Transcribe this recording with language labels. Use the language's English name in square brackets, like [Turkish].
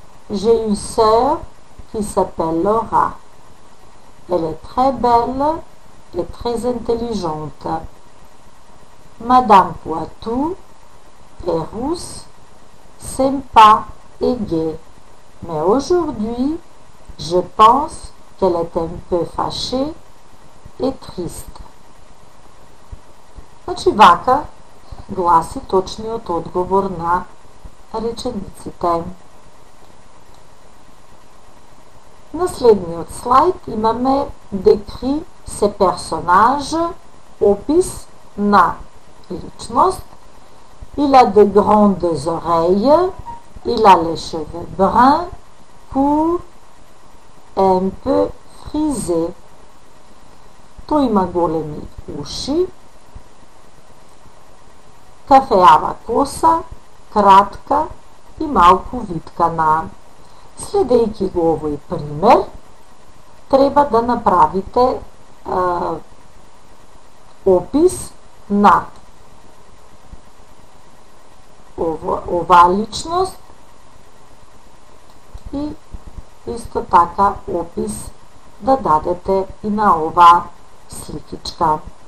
[French] J'ai une sœur qui s'appelle Laura. Elle est très belle et très intelligente. Madame Poitou est rousse, sympa et gaie. Mais aujourd'hui, je pense qu'elle est un peu fâchée et triste. [Macedonian] Значи, вака гласи точниот одговор на речениците. На следниот слайд имаме декри се персонаж, опис на личност. [French] Il a de grandes oreilles, il a les cheveux bruns, courts, un peu frisés. [Macedonian] Тој има големи уши, кафеава коса, кратка и малку виткана. Следејќи го овој пример, треба да направите опис на ова личност и исто така опис да дадете и на ова сликичка.